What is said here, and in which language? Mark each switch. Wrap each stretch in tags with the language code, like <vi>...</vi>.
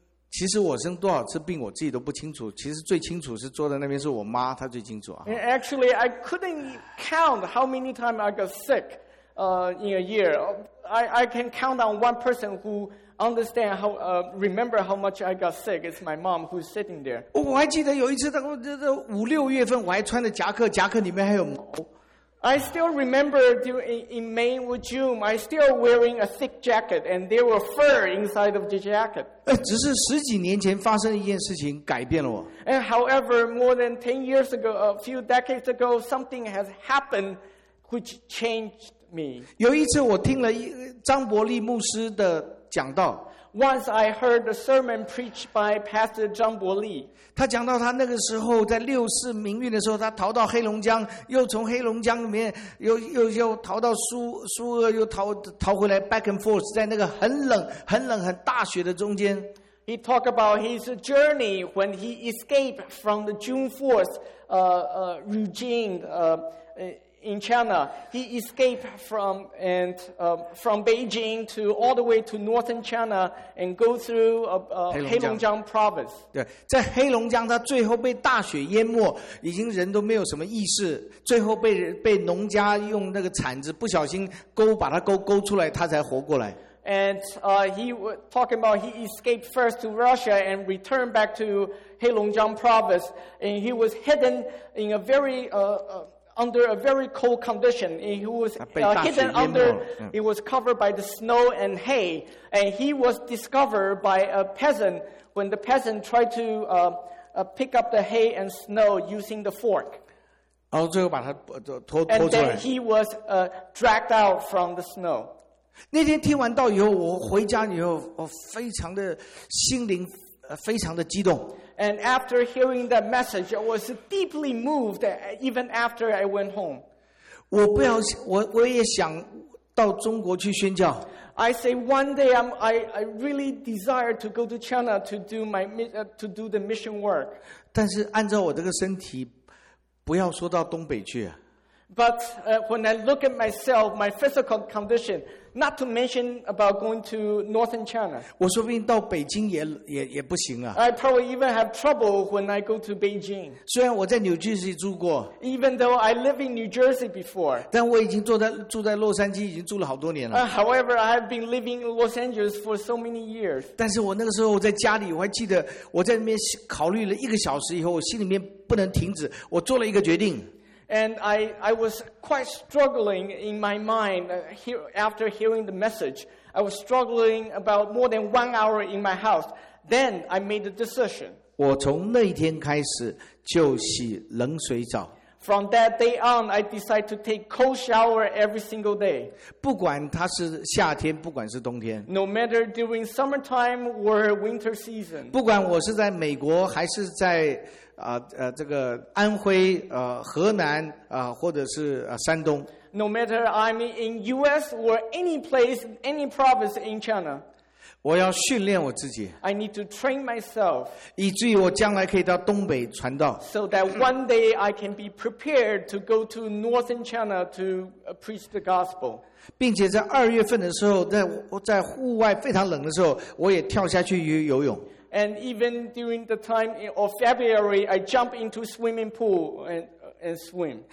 <zh>其实我生多少次病我自己都不清楚，其实最清楚是坐在那边是我妈，她最清楚啊。</zh> <en>Actually, I couldn't count how many times I got sick, in a year. I can count on one person who understand how, remember how much I got sick. It's my mom who's sitting there.</en> <zh>我还记得有一次，五六月份，我还穿着夹克，夹克里面还有毛。</zh> <en>I still remember in May or June, I still wearing a thick jacket, and there were fur inside of the jacket.</en> <zh>只是十几年前发生一件事情改变了我。</zh> <en>And however, more than 10 years ago, a few decades ago, something has happened which changed me.</en> <zh>有一次我听了张伯利牧师的讲道。</zh> <en>Once I heard a sermon preached by Pastor Zhang Boli.</en> <zh>他讲到他那个时候在六四民运的时候，他逃到黑龙江，又从黑龙江里面又逃到苏俄，又逃回来</zh> <en>back and forth，</en> <zh>在那个很冷很大雪的中间。</zh> <en>He talked about his journey when he escaped from the June 4th regime in China. He escaped from Beijing to all the way to northern China and go through Heilongjiang province.</en> <zh>对，在黑龙江他最后被大雪淹没，已经人都没有什么意识，最后被农家用那个铲子不小心勾把他勾出来，他才活过来。</zh> <en>And he was talking about he escaped first to Russia and returned back to Heilongjiang province, and he was hidden in a very under a very cold condition, and he was hidden under, it was covered by the snow and hay, and he was discovered by a peasant when the peasant tried to pick up the hay and snow using the fork. And then he was dragged out from the snow.</en> <zh>那天听完道以后，我回家以后，我非常的心灵非常的激动。</zh> <en>And after hearing that message, I was deeply moved even after I went home.</en> <zh>我也想到中国去宣教。</zh> <en>I say one day I really desire to go to China to do my to do the mission work.</en> <zh>但是按照我这个身体，不要说到东北去。</zh> <en>But when I look at myself, my physical condition, not to mention about going to northern China.</en> <zh>我说不定到北京也不行啊。</zh> <en>I probably even have trouble when I go to Beijing.</en> <zh>虽然我在 New Jersey 住过。</zh> <en>Even though I live in New Jersey before.</en> <zh>但我已经住在洛杉矶已经住了好多年了。</zh> <en>However, I have been living in Los Angeles for so many years.</en> <zh>但是我那个时候我在家里，我还记得我在那边考虑了一个小时以后，我心里面不能停止，我做了一个决定。</zh> <en>And I was quite struggling in my mind after hearing the message. I was struggling about more than 1 hour in my house. Then I made the decision.</en> <zh>我从那一天开始就洗冷水澡。</zh> <en>From that day on, I decided to take cold shower every single day.</en> <zh>不管它是夏天，不管是冬天。</zh> <en>No matter during summertime or winter season.</en> <zh>不管我是在美国还是在这个安徽河南或者是山东。</zh> <en>No matter I'm in US or any place, any province in China.</en> <zh>我要训练我自己。</zh> <en>I need to train myself.</en> <zh>以至于我将来可以到东北传道。</zh> <en>So that one day I can be prepared to go to northern China to preach the gospel.</en> <zh>并且在二月份的时候，在户外非常冷的时候，我也跳下去游泳。</zh> <en>And even during the time of February, I jump into swimming pool and swim.</en>